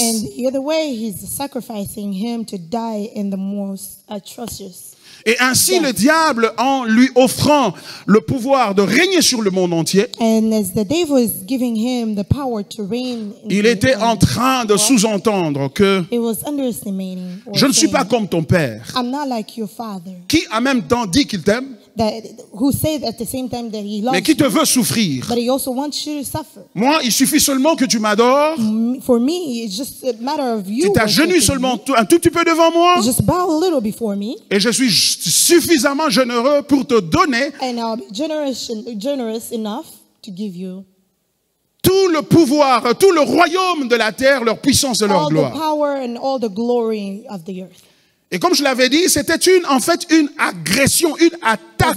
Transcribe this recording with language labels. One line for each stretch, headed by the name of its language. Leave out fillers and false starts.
French: Et ainsi le diable, en lui offrant le pouvoir de régner sur le monde entier, il était en train de sous-entendre que je ne suis pas comme ton père, qui en même temps dit qu'il t'aime, mais qui te veut souffrir. Moi, il suffit seulement que tu m'adores.
English: For me, it's just a matter of you.
French: Tu t'agenouilles seulement un tout petit peu devant moi.
English: Just bow a little before me.
French: Et je suis suffisamment généreux pour te donner.
English: And I'll be generous enough to give you.
French: Tout le pouvoir, tout le royaume de la terre, leur puissance et leur gloire.
English: All the power and all the glory of the earth.
French: Et comme je l'avais dit, c'était une, en fait, une agression, une attaque.